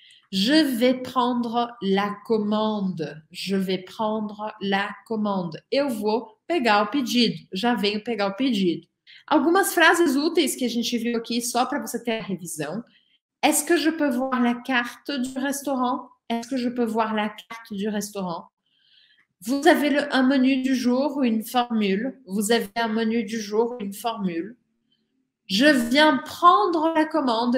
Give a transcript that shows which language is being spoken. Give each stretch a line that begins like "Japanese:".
French: Je vais prendre la commande. Je vais prendre la commande.
Portuguese: Eu vou pegar o pedido. Já venho pegar o pedido. Algumas frases úteis que a gente viu aqui, só para você ter a revisão.
French: Est-ce que je peux voir la carte du restaurant? Est-ce que je peux voir la carte du restaurant? Vous avez un menu du jour ou une formule? Vous avez un menu du jour ou une formule? Je viens prendre la commande.